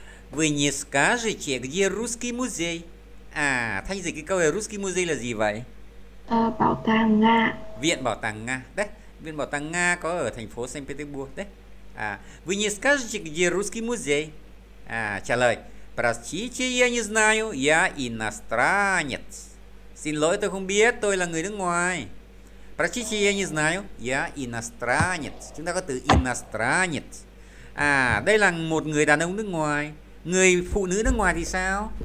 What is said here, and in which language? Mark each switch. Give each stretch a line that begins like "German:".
Russian: Вы не скажете, где русский музей?
Vietnamese: À, Thanh dịch cái câu này,
Russian: русский музей
Vietnamese: là gì vậy? À, bảo tàng Nga. Viện bảo tàng Nga. Đấy. Viện bảo tàng Nga có ở thành phố Saint Petersburg. Đấy.
Russian: À, вы не скажете, где русский музей?
Vietnamese: À, trả лời.
Russian: Простите, я не знаю, я иностранец.
Vietnamese: Xin lỗi, tôi không biết, tôi là người nước ngoài.
Russian: Простите, я не знаю, я иностранец.
Vietnamese: Chúng ta có từ иностранец. À, đây là một người đàn ông nước ngoài. Người phụ nữ nước ngoài thì sao?